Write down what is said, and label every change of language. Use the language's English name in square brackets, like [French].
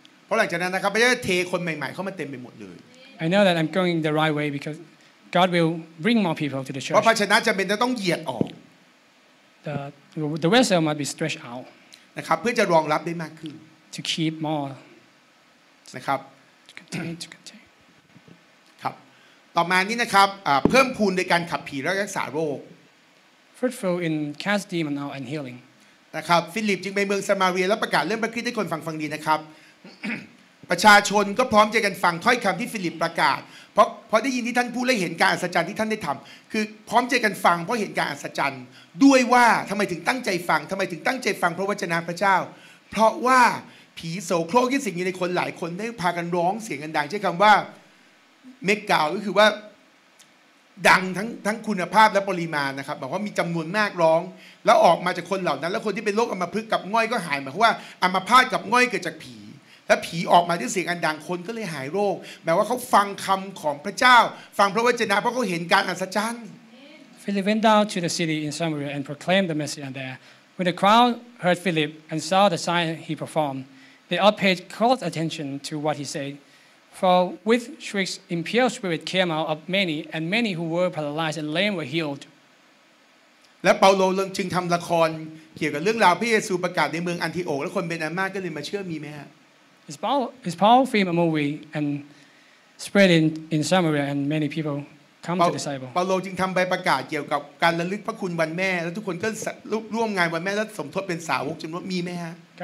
[Thai] เพราะหลังจากนั้นนะครับพระเจ้าเทคนใหม่ๆเข้ามาเต็มไปหมดเลย [English] I know that I'm going the right way because God will bring more people to the church [Thai] เพราะภาชนะจำเป็นจะต้องเหยียดออก [English] the vessel must be stretched out [Thai] นะครับเพื่อจะรองรับได้มากขึ้น [English] to keep more [Thai] นะครับ [English] to contain [Thai] ครับต่อมานี้นะครับเพิ่มพูนในการขับผีและรักษาโรค [English] Fruitful in cast demon out and healing. [Thai] นะครับฟิลิปจึงไปเมืองซามาเรียแล้วประกาศเรื่องพระคริสต์ให้คนฟังฟังดีนะครับ ประชาชนก็พร้อมใจกันฟังถ้อยคำที่ฟิลิปประกาศเพราะได้ยินที่ท่านพูดและเห็นการอัศจรรย์ที่ท่านได้ทำคือพร้อมใจกันฟังเพราะเห็นการอัศจรรย์ด้วยว่าทำไมถึงตั้งใจฟังทำไมถึงตั้งใจฟังพระวจนะพระเจ้าเพราะว่าผีโสโครกที่สิงอยู่ในคนหลายคนได้พากันร้องเสียงกันดังใช้คำว่าเมกกาก็คือว่า ดังทั้งคุณภาพและปริมาณนะครับบอกว่ามีจำนวนมากร้องแล้วออกมาจากคนเหล่านั้นแล้วคนที่เป็นโรคอัมพฤกษ์กับง่อยก็หายหมายความว่าอัมพาตกับง่อยเกิดจากผีและผีออกมาด้วยเสียงอันดังคนก็เลยหายโรคแปลว่าเขาฟังคำของพระเจ้าฟังพระวจนะเพราะเขาเห็นการอัศจรรย์ [English] Philip went down to the city in Samaria and proclaimed the message and there when the crowd heard Philip and saw the sign he performed they all paid close attention to what he saidFor with shrieks, impure spirit came out of many, and many who were paralyzed and lame were healed. [Thai] และเปาโลจึงทำละครเกี่ยวกับเรื่องราวพระเยซูประกาศในเมืองอันทิโอกและคนเป็นอันมากก็เลยมาเชื่อมีไหมฮะ [English] Is Paul film a movie and spread in Samaria and many people come to disciple. [Thai] เปาโลจึงทำใบประกาศเกี่ยวกับการระลึกพระคุณวันแม่และทุกคนก็ร่วมงานวันแม่และสมทบเป็นสาวกจำนวนมีไหมฮะ